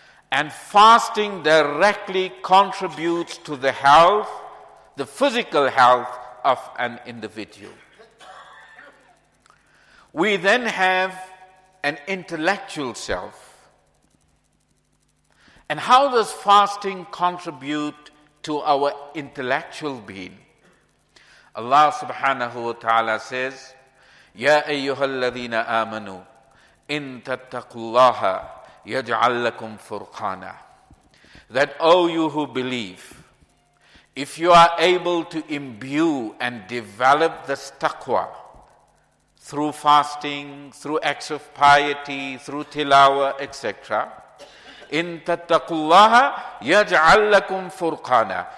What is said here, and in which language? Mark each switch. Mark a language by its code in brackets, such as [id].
[en] And fasting directly contributes to the health, the physical health of an individual. We then have an intellectual self. And how does fasting contribute to our intellectual being? Allah subhanahu wa ta'ala says, [ar] يَا أَيُّهَا الَّذِينَ آمَنُوا إِن تَتَّقُوا اللَّهَ يَجْعَلْ لَكُمْ فُرْقَانًا. [en] That, O you who believe, if you are able to imbue and develop this taqwa through fasting, through acts of piety, through tilawah, etc., [ar] إِن تَتَّقُوا اللَّهَ يَجْعَلْ لَكُمْ فُرْقَانًا.